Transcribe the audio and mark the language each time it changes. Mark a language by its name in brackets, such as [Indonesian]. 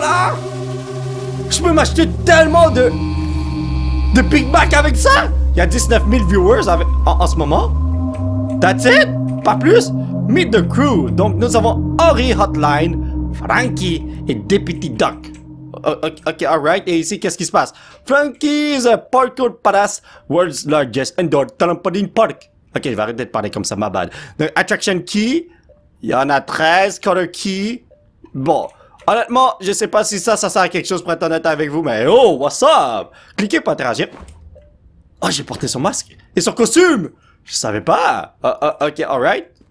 [French] $5 million? Je peux m'acheter tellement de Big Mac avec ça? Il y a 19 000 viewers avec, en ce moment. [English] That's it? [French] Pas plus? [English] Meet the crew. [French] Donc nous avons Ori Hotline, Frankie et Deputy Duck. [English] Ok, alright. [French] Et ici, qu'est-ce qui se passe? [English] Frankie is a parkour palace, world's largest indoor trampoline park. [French] Ok, je vais arrêter de parler comme ça, ma bad. Donc, attraction key. Il y en a 13. Color key. Bon. Honnêtement, je sais pas si ça sert à quelque chose pour être honnête avec vous, mais [English] oh, what's up? [French] Cliquez pour interagir. Oh, j'ai porté son masque et son costume! Je savais pas! [English] Ok, alright.